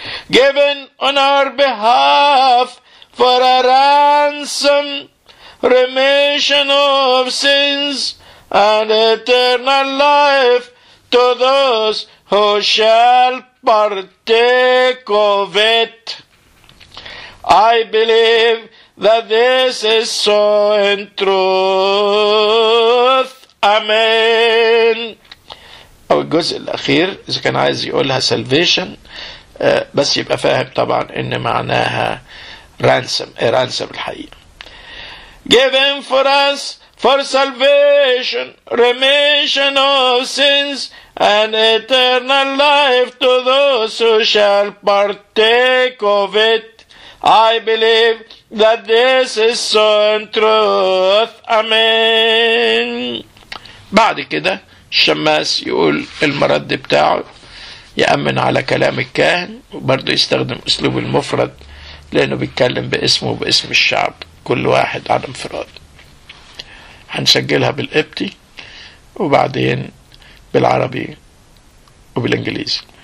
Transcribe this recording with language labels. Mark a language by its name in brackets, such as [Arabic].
[English] Given on our behalf for a ransom, remission of sins, and eternal life to those who shall partake of it. I believe that this is so in truth. Amen. [Arabic] أو الجزء الأخير إذا كان عايز يقولها salvation، بس يبقى فاهم طبعا إن معناها ransom، ransom الحقيقة. [English] Given for us for salvation, remission of sins, and eternal life to those who shall partake of it. I believe that this is so in truth. Amen. [Arabic] بعد كده الشماس يقول المرد بتاعه، يأمن على كلام الكاهن، وبرضه يستخدم أسلوب المفرد لأنه بيتكلم باسمه وباسم الشعب كل واحد على انفراد. هنسجلها بالإبتي وبعدين بالعربي وبالإنجليزي.